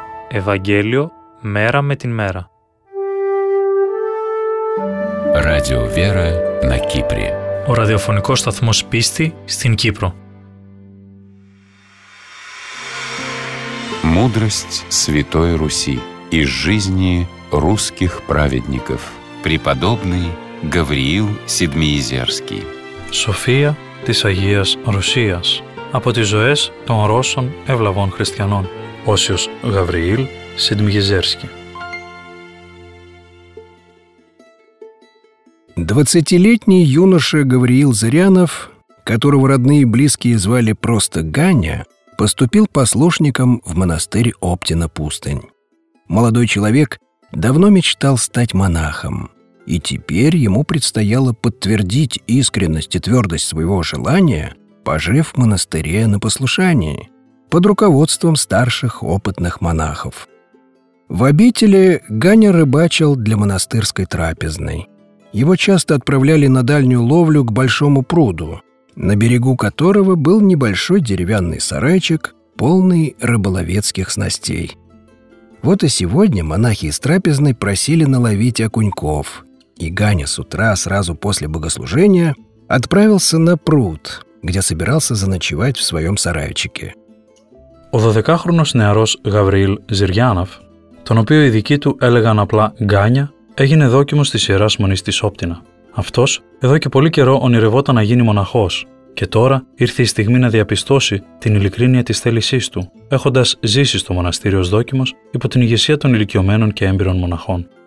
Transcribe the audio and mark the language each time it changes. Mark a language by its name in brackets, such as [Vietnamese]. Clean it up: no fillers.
[Russian] Евангелие мера [Greek] με την [Russian] мера. Радио Вера на Кипре. [Greek] Ο ραδιοφωνικός σταθμός πίστη στην Κύπρο. [Russian] Мудрость Святой Руси из жизни русских праведников. Преподобный Гавриил Седмиизерский. [Greek] София της Αγίας Ρωσίας. Από τις ζωές των Ρώσων ευλαβών χριστιανών. Όσιος Γαβριήλ Σεντμιγεζέρσκι. [Russian] 20-летний юноша Гавриил Зырянов, которого родные и близкие звали просто Ганя, поступил послушником в монастырь Оптина-Пустынь. Молодой человек давно мечтал стать монахом, и теперь ему предстояло подтвердить искренность и твердость своего желания, пожив в монастыре на послушании, под руководством старших опытных монахов. В обители Ганя рыбачил для монастырской трапезной. Его часто отправляли на дальнюю ловлю к большому пруду, на берегу которого был небольшой деревянный сарайчик, полный рыболовецких снастей. Вот и сегодня монахи из трапезной просили наловить окуньков, и Ганя с утра, сразу после богослужения, отправился на пруд, где собирался заночевать в своем сарайчике. [Greek] Ο 12-χρονος νεαρός Γαβριήλ Ζηριάνοφ, τον οποίο οι δικοί του έλεγαν απλά Γκάνια, έγινε δόκιμος της Ιεράς Μονής της Όπτινα. Αυτός, εδώ και πολύ καιρό ονειρευόταν να γίνει μοναχός, Και τώρα ήρθε η στιγμή να διαπιστώσει την ειλικρίνεια της θέλησής του, έχοντας ζήσει στο μοναστήρι ως δόκιμος υπό την ηγεσία των ηλικιωμένων και έμπειρων μοναχών.